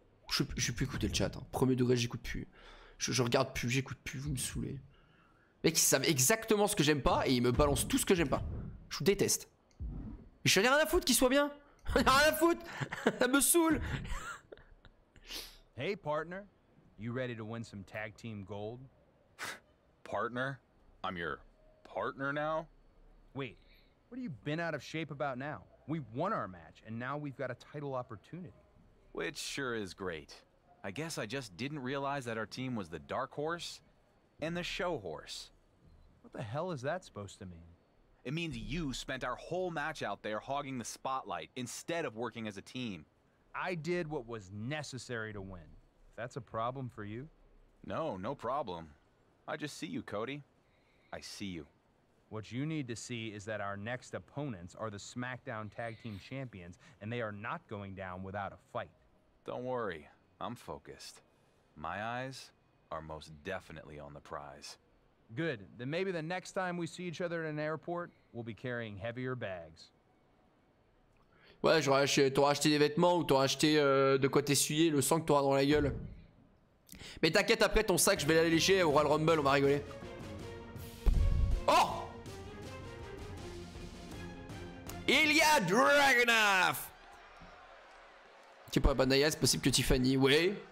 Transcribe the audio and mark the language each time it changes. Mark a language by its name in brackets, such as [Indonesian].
[French] Je vais plus écouter le chat. Hein. Premier degré, j'écoute plus. Je regarde plus, j'écoute plus. Vous me saoulez. Mec, ils savent exactement ce que j'aime pas et ils me balancent tout ce que j'aime pas. Je vous déteste. J'en ai rien à foutre qu'il soit bien. J'en ai rien à foutre. Ça me saoule. [English] Hey partner, you ready to win some tag team gold? Partner? I'm your partner now? Wait, what have you been out of shape about now? We won our match and now we've got a title opportunity. Which sure is great. I guess I just didn't realize that our team was the dark horse and the show horse. What the hell is that supposed to mean? It means you spent our whole match out there hogging the spotlight instead of working as a team. I did what was necessary to win. That's a problem for you? No, no problem. I just see you, Cody. I see you. What you need to see is that our next opponents are the SmackDown Tag Team Champions, and they are not going down without a fight. Don't worry, I'm focused. My eyes are most definitely on the prize. Good, then maybe the next time we see each other at an airport, we'll be carrying heavier bags. [French] Ouais, j'aurais acheté des vêtements ou t'aurais acheté de quoi t'essuyer le sang que t'auras dans la gueule. Mais t'inquiète, après ton sac, je vais l'alléger au Royal Rumble, on va rigoler. Oh! Ilya Dragunov! Tu pourrais pas Naya, c'est possible que Tiffany, ouais.